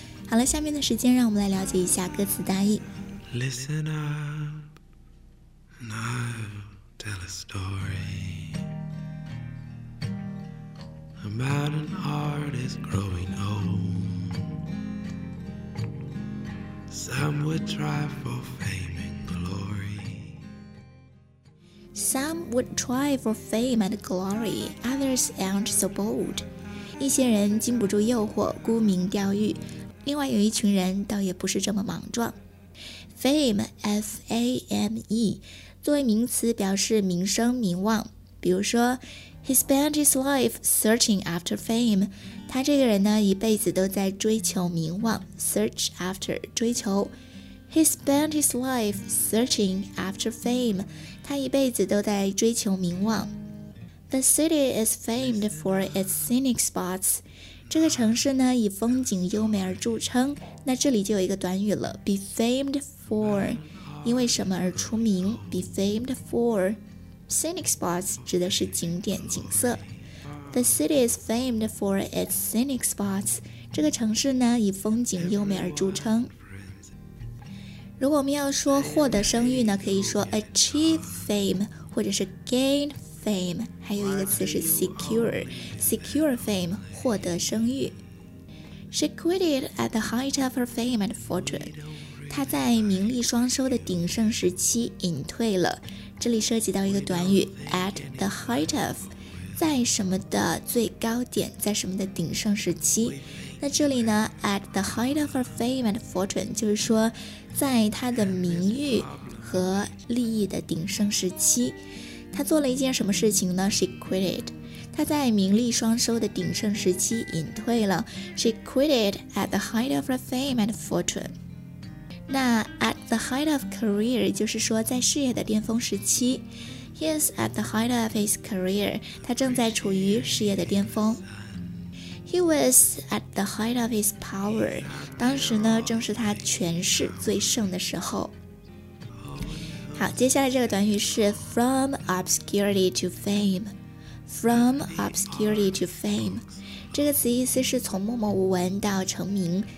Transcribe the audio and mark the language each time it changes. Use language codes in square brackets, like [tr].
[zh] 好了，下面的时间让我们来了解一下歌词大意。 [en] Listen up and I'll tell a story about an artist growing old. Some would try for fame and glory. Some would try for fame and glory. Others aren't so bold. [zh] 一些人经不住诱惑，沽名钓誉；另外有一群人倒也不是这么莽撞。 Fame, F-A-M-E, 作为名词表示名声、名望。比如说 [en] ，He spent his life searching after fame. [zh] 他这个人呢，一辈子都在追求名望 ， [en] search after [zh] 追求。 [en] He spent his life searching after fame. [zh] 他一辈子都在追求名望。 [en] The city is famed for its scenic spots. [zh] 这个城市呢，以风景优美而著称。那这里就有一个短语了 ， [en] be famed for， [zh] 因为什么而出名 ？ [en] Be famed for scenic spots [zh] 指的是景点景色。 [en] The city is famed for its scenic spots. [zh] 这个城市呢，以风景优美而著称。如果我们要说获得声誉呢，可以说 [en] achieve fame， [zh] 或者是 [en] gain fame， [zh] 还有一个词是 [en] secure fame， [zh] 获得声誉。 [en] She quit it at the height of her fame and fortune. [zh] 她在名利双收的鼎盛时期隐退了。这里涉及到一个短语 [en] at the height of。 [zh] 在什么的最高点，在什么的鼎盛时期。那这里呢 [en] at the height of her fame and fortune [zh] 就是说在她的名誉和利益的鼎盛时期。她做了一件什么事情呢？ [en] She quit it。 [zh] 她在名利双收的鼎盛时期隐退了。 [en] She quit it at the height of her fame and fortune。 那 at the height of career [zh] 就是说在事业的巅峰时期。 [en] He is at the height of his career. [zh] 他正在处于事业的巅峰。 [en] He was at the height of his power. [zh] 当时呢，正是他权势最盛的时候。好，接下来这个短语是 [en] from obscurity to fame. From obscurity to fame. [zh] 这个词意思是从默默无闻到成名。